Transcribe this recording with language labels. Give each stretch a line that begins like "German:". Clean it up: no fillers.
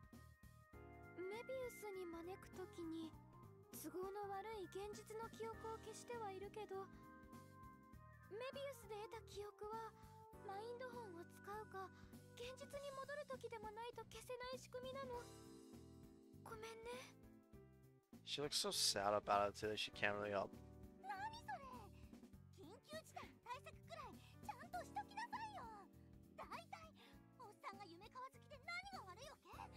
Japanese: に招くときに都合の悪い現実の記憶を消してはいるけど、メビウスで得た記憶はマインドホンを使うか現実に戻るときでもないと消せない仕組みなの。ごめんね。
English: She looks so sad about it too that she can't really help.
Japanese: 何それ緊急事態の対策くらいちゃんとしときなさいよ。だいたいおっさんが夢買わず来て何が悪いわけ。